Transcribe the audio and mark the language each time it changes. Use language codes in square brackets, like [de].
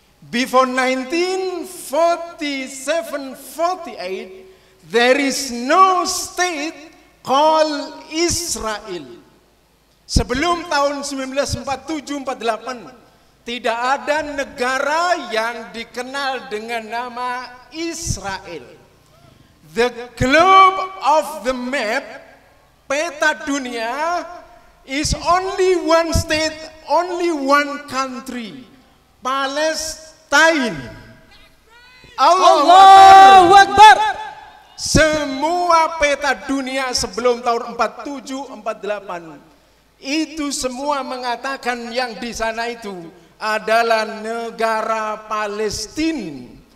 [en] Before 1947-48, there is no state called Israel. [id] Sebelum tahun 1947-48, tidak ada negara yang dikenal dengan nama Israel. [en] The globe of the map, [id] peta dunia, [en] is only one state, only one country, Palestine. [ar] Allahu Akbar. [id] Semua peta dunia sebelum tahun 47-48 itu semua mengatakan yang di sana itu adalah negara Palestine.